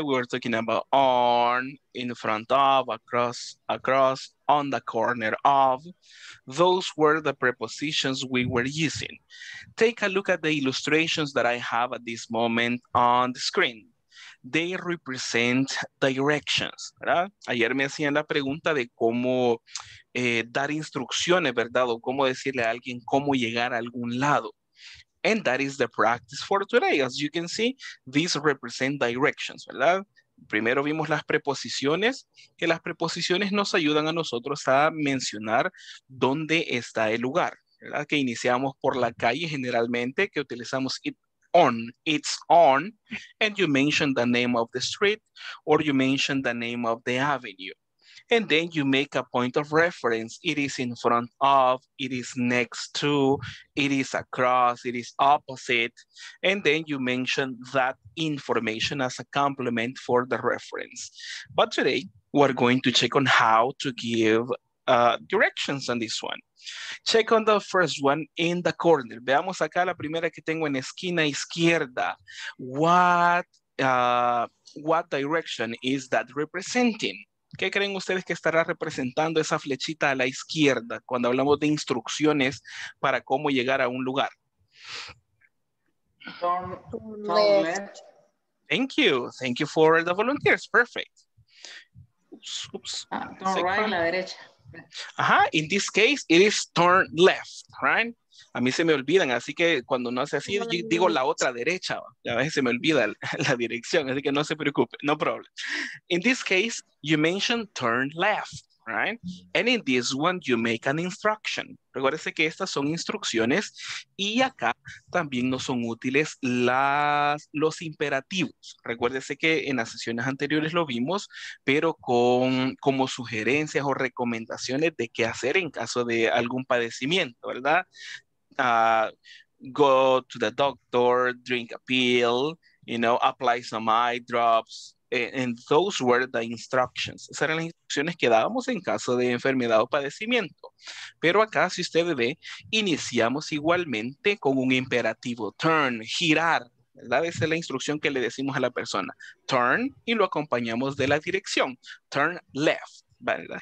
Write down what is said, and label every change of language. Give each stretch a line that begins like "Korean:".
English: We were talking about on, in front of, across, on the corner of. Those were the prepositions we were using. Take a look at the illustrations that I have at this moment on the screen. They represent directions,
Spanish: ¿verdad? Ayer me hacían la pregunta de cómo dar instrucciones, ¿verdad? O cómo decirle a alguien cómo llegar a algún lado.
English: And that is the practice for today. As you can see, these represent directions,
Spanish: ¿verdad? Primero vimos las preposiciones, que las preposiciones nos ayudan a nosotros a mencionar dónde está el lugar, ¿verdad? Que iniciamos por la calle generalmente, que utilizamos
English: it on, it's on, and you mention the name of the street, or you mention the name of the avenue. And then you make a point of reference. It is in front of, it is next to, it is across, it is opposite. And then you mention that information as a complement for the reference. But today, we're going to check on how to give directions on this one. Check on the first one in the corner.
Spanish: Veamos acá la primera que tengo en esquina izquierda.
English: What direction is that representing?
Spanish: ¿Qué creen ustedes que estará representando esa flechita a la izquierda cuando hablamos de instrucciones para cómo llegar a un lugar?
English: Turn left. Thank you for the volunteers. Perfect. Turn right,
Spanish: a la derecha.
English: Ajá, in this case, it is turn left, right?
Spanish: A mí se me olvidan, así que cuando no hace así, digo la otra derecha. A veces se me olvida la dirección, así que no se preocupe,
English: no problem. In this case, you mention turn left, right? And in this one, you make an instruction.
Spanish: Recuérdese que estas son instrucciones y acá también nos son útiles los imperativos. Recuérdese que en las sesiones anteriores lo vimos, pero como sugerencias o recomendaciones de qué hacer en caso de algún padecimiento, ¿verdad?
English: Go to the doctor, drink a pill, you know, apply some eye drops. And those were the instructions.
Spanish: Esas eran las instrucciones que dábamos en caso de enfermedad o padecimiento. Pero acá, si usted ve, iniciamos igualmente con un imperativo. Turn, girar, ¿verdad? Esa es la instrucción que le decimos a la persona. Turn, y lo acompañamos de la dirección.
English: Turn left,
Spanish: ¿verdad?